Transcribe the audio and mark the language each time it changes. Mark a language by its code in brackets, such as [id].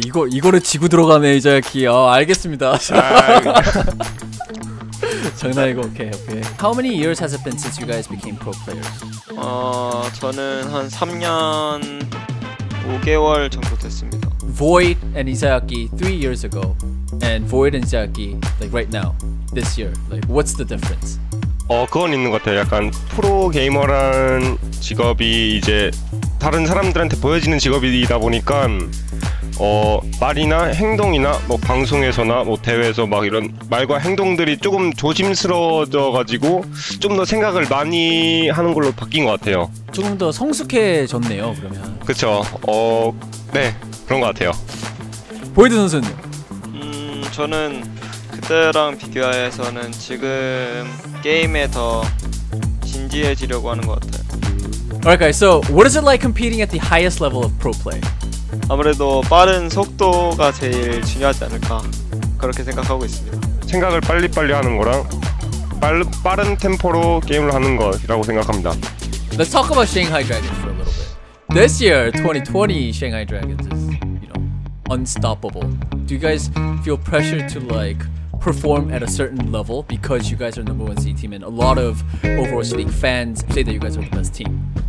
[ko] 이거를 지구 들어가네 이자키. 알겠습니다. 장난이고 오케이 오케이. [en] How many years has it been since you guys became pro players? [ko] 저는 한 3년 5개월 정도 됐습니다. [en] Void and Isayaki 3 years ago, and Void and Isayaki like right now, this year. Like, what's the difference? [ko] 그건 있는 것 같아요. 약간 프로 게이머란 직업이 이제 다른 사람들한테 보여지는 직업이다 보니까 말이나 행동이나 뭐 방송에서나 뭐 대회에서 막 이런 말과 행동들이 조금 조심스러워져가지고 좀 더 생각을 많이 하는 걸로 바뀐 것 같아요. 조금 더 성숙해졌네요, 그러면. 그렇죠. 네, 그런 것 같아요. 보이드 선수는? 저는 그때랑 비교해서는 지금 게임에 더 진지해지려고 하는 것 같아요. [en] Alright guys, so what is it like competing at the highest level of pro play? [ko] 아무래도 빠른 속도가 제일 중요하지 않을까 그렇게 생각하고 있습니다. 생각을 빨리빨리 하는 거랑 빠른 템포로 게임을 하는 것이라고 생각합니다. [en] Let's talk about Shanghai Dragons for a little bit. This year, 2020 Shanghai Dragons is, you know, unstoppable. Do you guys feel pressure to like perform at a certain level because you guys are the number one seed team and a lot of Overwatch League fans say that you guys are the best team?